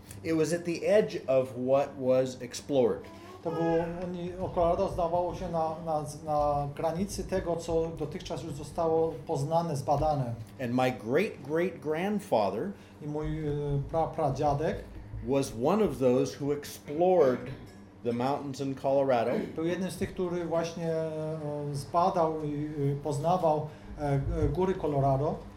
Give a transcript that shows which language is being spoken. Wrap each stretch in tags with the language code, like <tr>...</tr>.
<en>It was at the edge of what was explored.</en> <pl>To było, Colorado znajdowało się na granicy tego, co dotychczas już zostało poznane, zbadane.</pl> <en>And my great-great-grandfather,</en> <pl>i mój pradziadek,</pl> <en>was one of those who explored the mountains in Colorado.</en> <pl>Był jeden z tych, który właśnie zbadał i poznawał góry Colorado.</pl>